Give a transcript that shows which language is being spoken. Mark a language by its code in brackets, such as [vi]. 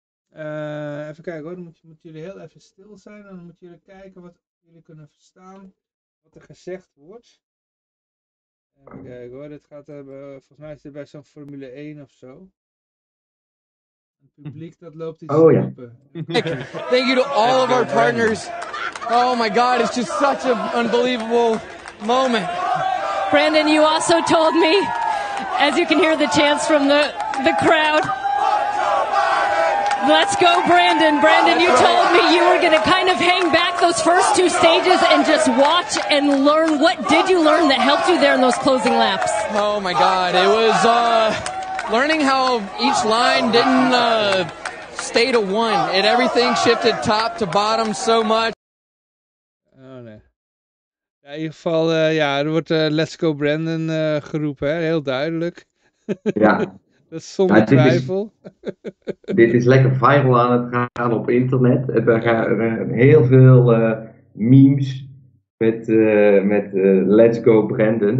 [nl] Even kijken hoor, dan moeten jullie heel even stil zijn en dan moeten jullie kijken wat jullie kunnen verstaan, wat er gezegd wordt. Even kijken hoor, dit gaat hebben, volgens mij is het bij zo'n Formule 1 of zo. Het publiek dat loopt iets roepen. [en] Thank you to all of our partners. Oh my god, it's just such an unbelievable moment. Brandon, you also told me, as you can hear the chants from the crowd, let's go, Brandon. Brandon, you told me you were going to kind of hang back those first two stages and just watch and learn. What did you learn that helped you there in those closing laps? Oh, my God. It was learning how each line didn't stay to one. And everything shifted top to bottom so much. [nl] Ja, in ieder geval, er wordt Let's Go Brandon geroepen, hè? Heel duidelijk. Ja. Dat is zonder twijfel. Dit is lekker viral aan het gaan op internet. Er gaan heel veel memes met Let's Go Brandon.